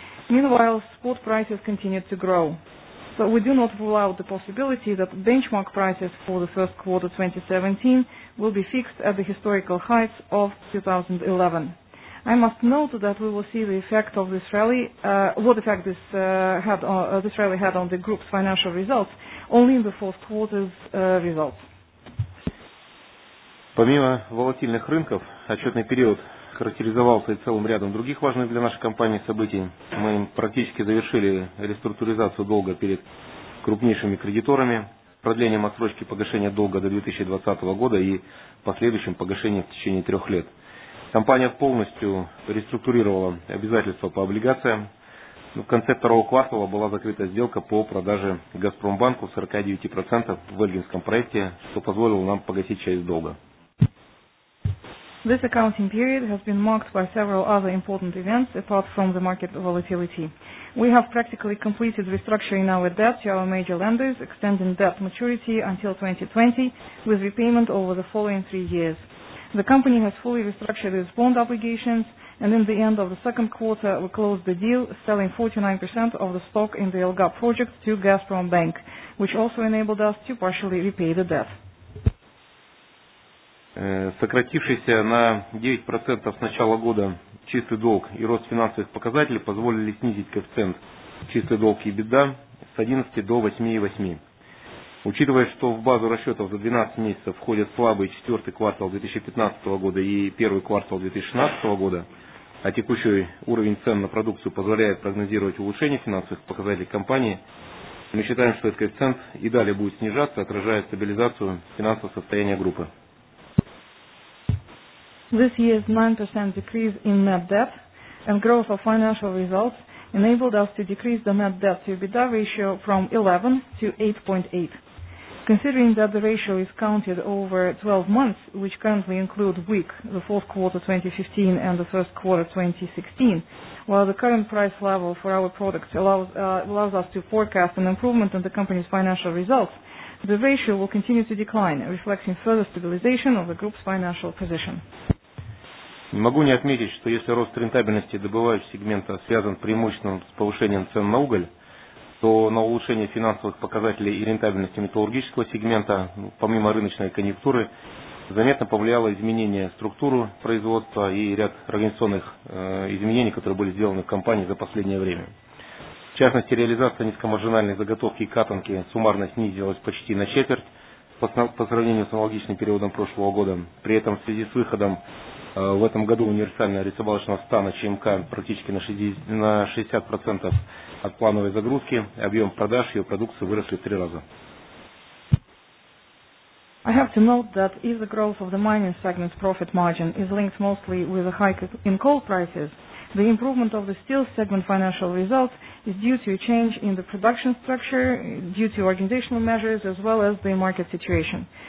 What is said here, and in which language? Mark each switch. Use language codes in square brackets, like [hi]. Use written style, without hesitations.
[en] Meanwhile, spot prices continued to grow. So we do not rule out the possibility that benchmark prices for the first quarter 2017 will be fixed at the historical heights of 2011. I must note that we will see the effect of this rally, what effect this rally had on the group's financial results, only in the fourth quarter's results. [ru] Помимо волатильных рынков, отчетный период характеризовался и целым рядом других важных для нашей компании событий. Мы практически завершили реструктуризацию долга перед крупнейшими кредиторами, продлением отсрочки погашения долга до 2020 года и последующим погашением в течение 3 лет. Компания полностью реструктурировала обязательства по облигациям. В конце второго квартала была закрыта сделка по продаже Газпромбанку 49% в Эльгинском проекте, что позволило нам погасить часть долга. [en] This accounting period has been marked by several other important events apart from the market volatility. We have practically completed restructuring our debt to our major lenders, extending debt maturity until 2020 with repayment over the following 3 years. The company has fully restructured its bond obligations, and in the end of the second quarter, we closed the deal, selling 49% of the stock in the LGAP project to Gazprom Bank, which also enabled us to partially repay the debt. [ru] Сократившийся на 9% с начала года чистый долг и рост финансовых показателей позволили снизить коэффициент чистый долг и EBITDA с 11 до 8,8. Учитывая, что в базу расчетов за 12 месяцев входят слабый четвертый квартал 2015 года и первый квартал 2016 года, а текущий уровень цен на продукцию позволяет прогнозировать улучшение финансовых показателей компании, мы считаем, что этот коэффициент и далее будет снижаться, отражая стабилизацию финансового состояния группы. [en] This year's 9% decrease in net debt and growth of financial results enabled us to decrease the net debt to EBITDA ratio from 11 to 8.8. Considering that the ratio is counted over 12 months, which currently include WIC, the fourth quarter 2015 and the first quarter 2016, while the current price level for our products allows us to forecast an improvement in the company's financial results, the ratio will continue to decline, reflecting further stabilization of the group's financial position. [ru] Не могу не отметить, что если рост рентабельности добывающего сегмента связан преимущественно с повышением цен на уголь, то на улучшение финансовых показателей и рентабельности металлургического сегмента, помимо рыночной конъюнктуры, заметно повлияло изменение структуры производства и ряд организационных изменений, которые были сделаны в компании за последнее время. В частности, реализация низкомаржинальной заготовки и катанки суммарно снизилась почти на четверть по сравнению с аналогичным периодом прошлого года. При этом в связи с выходом в этом году универсального рисовалочного стана ЧМК практически на 60% от плановой загрузки, объем продаж ее продукции выросли в 3 раза. [en] I have to note that if the growth of the mining segment's profit margin is linked mostly with a hike in coal prices, the improvement of the steel segment financial results is due to a change in the production structure, due to organizational measures as well as the market situation.